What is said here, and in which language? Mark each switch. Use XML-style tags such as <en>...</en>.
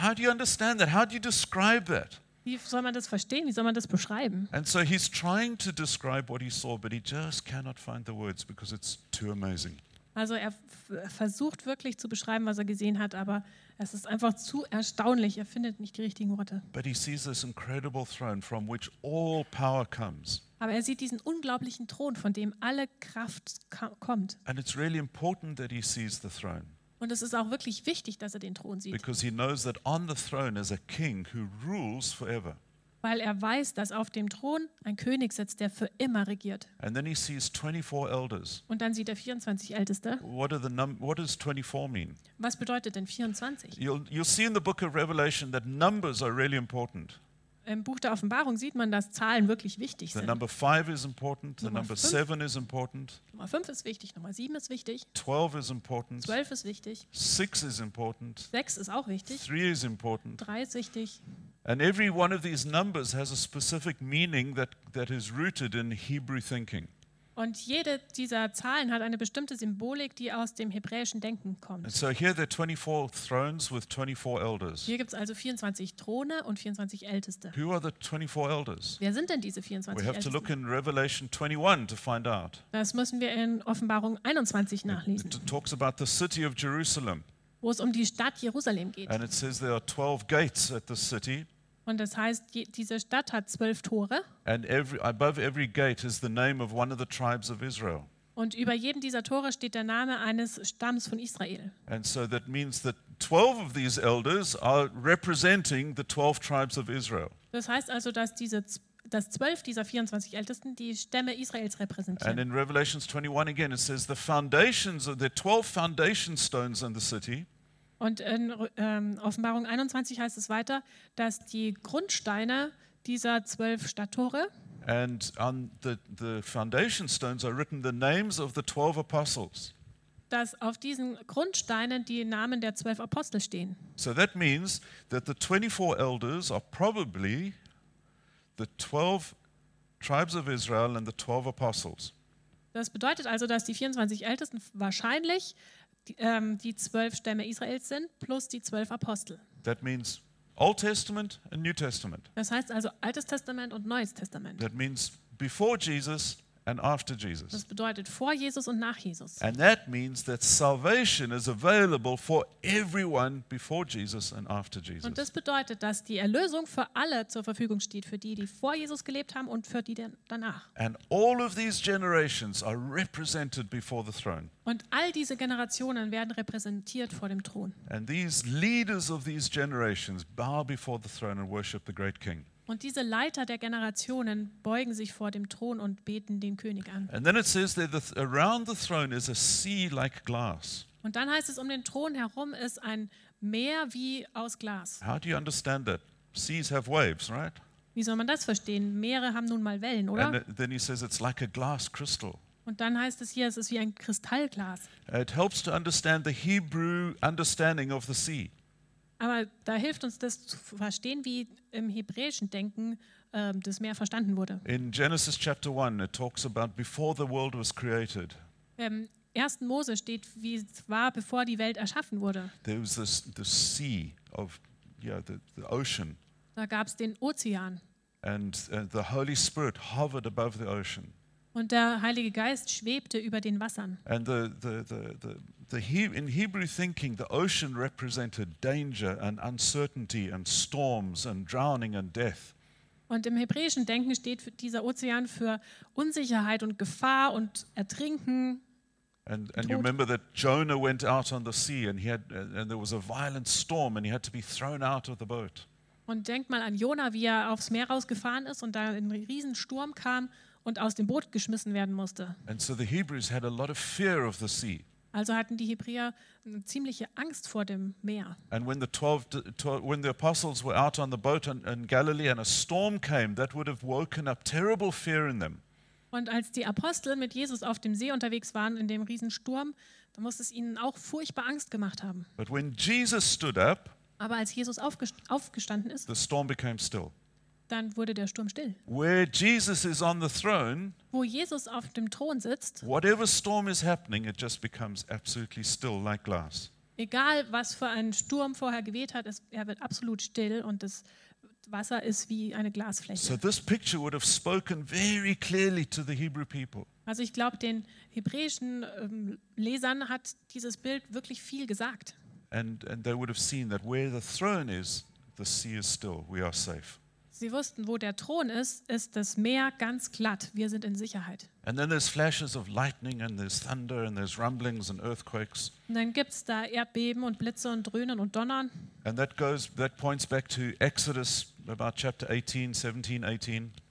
<en>How do you understand that? How do you describe that?</en> <de>Wie soll man das verstehen? Wie soll man das beschreiben?</de> <en>And so he's trying to describe what he saw, but he just cannot find the words because it's too amazing.</en> <de>Also er versucht wirklich zu beschreiben, was er gesehen hat, aber es ist einfach zu erstaunlich. Er findet nicht die richtigen Worte.</de> <en>But he sees this incredible throne from which all power comes.</en> <de>Aber er sieht diesen unglaublichen Thron, von dem alle Kraft kommt.</de> <en>And it's really important that he sees the throne.</en> <de>Und es ist auch wirklich wichtig, dass er den Thron sieht.</de> <en>Because he knows that on the throne is a king who rules forever.</en> <de>Weil er weiß, dass auf dem Thron ein König sitzt, der für immer regiert.</de> <en>And then he sees 24 elders.</en> <de>Und dann sieht er 24 Älteste.</de> <en>What does 24 mean?</en> <de>Was bedeutet denn 24?</de> <en>You'll see in the book of Revelation that numbers are really important.</en> <de>Im Buch der Offenbarung sieht man, dass Zahlen wirklich wichtig sind.</de> <en>The number 5 is important, the number 7 is important.</en> <de>Nummer 5 ist wichtig, Nummer 7 ist wichtig.</de> <en>12 is important.</en> <de>12 ist wichtig.</de> <en>6 is important.</en> <de>6 ist auch wichtig.</de> <en>3 is important.</en> <de>3 ist wichtig.</de> <en>And every one of these numbers has a specific meaning that is rooted in Hebrew thinking.</en> <de>Und jede dieser Zahlen hat eine bestimmte Symbolik, die aus dem hebräischen Denken kommt.</de> <en>So here there are 24 thrones with 24 elders.</en> <de>Hier gibt's also 24 Throne und 24 Älteste.</de> <en>Who are the 24 elders?</en> <de>Wer sind denn diese 24 Ältesten?</de> <en>We have to look in Revelation 21 to find out.</en> <de>Das müssen wir in Offenbarung 21 nachlesen.</de> <en>It talks about the city of Jerusalem.</en> <de>Wo es um die Stadt Jerusalem geht.</de> <en>And it says there are 12 gates at the city.</en> <de>Und das heißt, diese Stadt hat 12 Tore.</de> <en>And above every gate is the name of one of the tribes of Israel.</en> <de>Und über jedem dieser Tore steht der Name eines Stamms von Israel.</de> <en>And so that means that 12 of these elders are representing the 12 tribes of Israel.</en> <de>Das heißt also, dass dass 12 dieser 24 Ältesten die Stämme Israels repräsentieren.</de> <en>And in Revelation 21 again it says the foundations of the 12 foundation stones in the city.</en> <de>Und in Offenbarung 21 heißt es weiter, dass die Grundsteine dieser 12 Stadttore</de> <en>and on the foundation stones are written the names of the 12 apostles.</en> <de>Dass auf diesen Grundsteinen die Namen der 12 Apostel stehen.</de> <en>So that means that the 24 elders are probably the 12 tribes of Israel and the 12 apostles.</en> <de>Das bedeutet also, dass die 24 Ältesten wahrscheinlich die 12 Stämme Israels sind plus die 12 Apostel.</de> <en>That means Old Testament and New Testament.</en> <de>Das heißt also Altes Testament und Neues Testament.</de> <en>That means before Jesus and after Jesus.</en> <de>Das bedeutet vor Jesus und nach Jesus.</de> <en>And that means that salvation is available for everyone before Jesus and after Jesus.</en> <de>Und das bedeutet, dass die Erlösung für alle zur Verfügung steht, für die vor Jesus gelebt haben und für die danach.</de> <en>And all of these generations are represented before the throne.</en> <de>Und all diese Generationen werden repräsentiert vor dem Thron.</de> <en>And these leaders of these generations bow before the throne and worship the great king.</en> <de>Und diese Leiter der Generationen beugen sich vor dem Thron und beten den König an.</de> <en>And then it says that around the throne is a sea like glass.</en> <de>Und dann heißt es, um den Thron herum ist ein Meer wie aus Glas.</de> <en>How do you understand that? Seas have waves, right?</en> <de>Wie soll man das verstehen? Meere haben nun mal Wellen, oder?</de> <en>And then he says it's like a glass crystal.</en> <de>Und dann heißt es hier, es ist wie ein Kristallglas.</de> <en>It helps to understand the Hebrew understanding of the sea.</en> <de>Aber da hilft uns das zu verstehen, wie im hebräischen Denken das Meer verstanden wurde.</de> <en>In Genesis chapter 1 it talks about before the world was created.</en> <de>Im 1. Mose steht, wie es war, bevor die Welt erschaffen wurde.</de> <en>There was the sea of the ocean.</en> <de>Da gab es den Ozean.</de> <en>And the Holy Spirit hovered above the ocean.</en> <de>Und der Heilige Geist schwebte über den Wassern.</de> <en>And in Hebrew thinking, the ocean represented danger and uncertainty and storms and drowning and death.</en> <de>Und im hebräischen Denken steht dieser Ozean für Unsicherheit und Gefahr und Ertrinken.</de> <en>And you remember that Jonah went out on the sea and he had and there was a violent storm and he had to be thrown out of the boat.</en> <de>Und denk mal an Jonah, wie er aufs Meer rausgefahren ist und da ein riesen Sturm kam und aus dem Boot geschmissen werden musste.</de> <en>And so the Hebrews had a lot of fear of the sea.</en> <de>Also hatten die Hebräer eine ziemliche Angst vor dem Meer.</de> <en>And when the 12 apostles were out on the boat in Galilee and a storm came, that would have woken up terrible fear in them.</en> <de>Und als die Apostel mit Jesus auf dem See unterwegs waren in dem Riesensturm, da muss es ihnen auch furchtbar Angst gemacht haben.</de> <en>But when Jesus stood up,</en> <de>aber als Jesus aufgestanden ist,</de> <en>the storm became still.</en> <de>Dann wurde der Sturm still.</de> <en>Where Jesus is on the throne,</en> <de>wo Jesus auf dem Thron sitzt,</de> <en>whatever storm is happening, it just becomes absolutely still like glass.</en> <de>Egal, was für ein Sturm vorher geweht hat, er wird absolut still und das Wasser ist wie eine Glasfläche.</de> <en>So this picture would have spoken very clearly to the Hebrew people.</en> <de>Also ich glaube, den hebräischen Lesern hat dieses Bild wirklich viel gesagt.</de> <en>And they would have seen that where the throne is, the sea is still. We are safe.</en> <de>Sie wussten, wo der Thron ist, ist das Meer ganz glatt. Wir sind in Sicherheit.</de> <en>And then there's flashes of lightning and there's thunder and there's rumblings and earthquakes.</en> <de>Und dann gibt's da Erdbeben und Blitze und Dröhnen und Donnern.</de> <en>And that points back to Exodus about chapter 18, 17, 18.</en>